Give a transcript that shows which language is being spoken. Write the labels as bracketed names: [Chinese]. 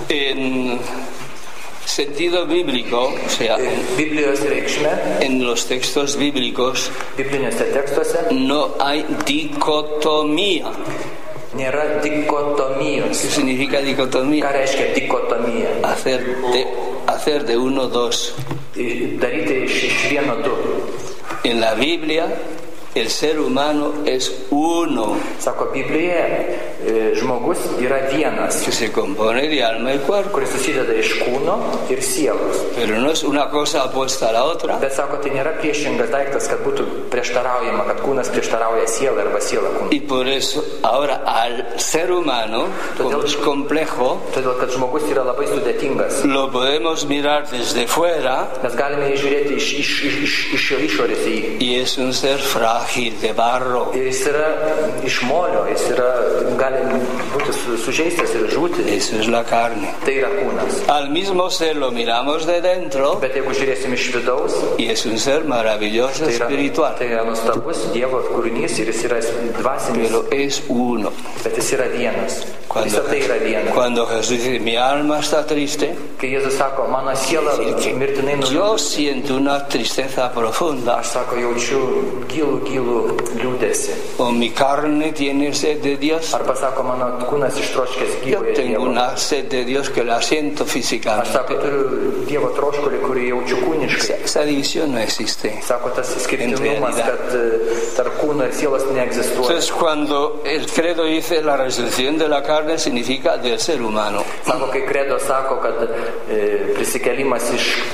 [Spanish] En sentido bíblico, o sea, en los textos bíblicos, no hay dicotomía. [Lithuanian] Nėra dikotomijos. [Spanish] ¿Qué significa dicotomía? ¿Qué [Lithuanian] reiškia dikotomija? [Spanish] Hacer de uno dos. [Lithuanian] Daryti iš vieno du. [Spanish] En la Biblia, el ser humano es uno. [Lithuanian] Sako, Biblija, žmogus yra vienas. [Spanish] Que se compone de alma y cuerpo. [Lithuanian] Kuris susideda iš kūno ir sielos. [Spanish] Pero no es una cosa opuesta a la otra. [Lithuanian] Bet sako, tai nėra priešingas daiktas, kad būtų prieštaraujama, kad kūnas prieštarauja sielą arba sielą kūną. [Spanish] Y por eso, ahora, al ser humano, [Lithuanian] todėl, [Spanish] es complejo, [Lithuanian] todėl, kad žmogus yra labai sudėtingas, [Spanish] lo podemos mirar desde fuera, [Lithuanian] mes galime žiūrėti iš jo išorės į jį. [Spanish] Y es un ser frágil de barro. [Lithuanian] Jis yra iš molio, jis yra, gali būti sužeistas ir žūti. [Spanish] Eso es la carne. [Lithuanian] Tai yra kūnas. [Spanish] Al mismo ser lo miramos de dentro, [Lithuanian] bet jeigu žiūrėsim iš vidaus, [Spanish] y es un ser maravilloso, [Lithuanian] tai yra, [Spanish] espiritual. [Lithuanian] Tai yra nuostabus Dievo kūrinys ir jis yra dvasinis. [Spanish] Pero es uno. [Lithuanian] Bet jis yra vienas. [Spanish] Cuando, cuando Jesús dice, mi alma está triste, [Lithuanian] que Jesús sako, mano siela, mirtinai nuliūdusi, [Spanish] yo siento una tristeza profunda. [Lithuanian] Aš sako, jaučiu gilų liūdesį. [Spanish] O mi carne tiene sed de Dios. [Lithuanian] Arba sako, mano kūnas ištroškęs gyvojo Dievo. [Spanish] Yo tengo una sed de Dios que la siento físicamente. [Lithuanian] Aš sako, turiu Dievo troškulį, kurį jaučiu kūniškai. [Spanish] Esa división no existe. [Lithuanian] Sako, tas skirtingumas, kad tarp kūno ir sielos neegzistuoja. [Spanish] Entonces, cuando el credo dice la resurrección de la carne significa del ser humano. [Lithuanian] Sako, kai credo sako, kad prisikėlimas iš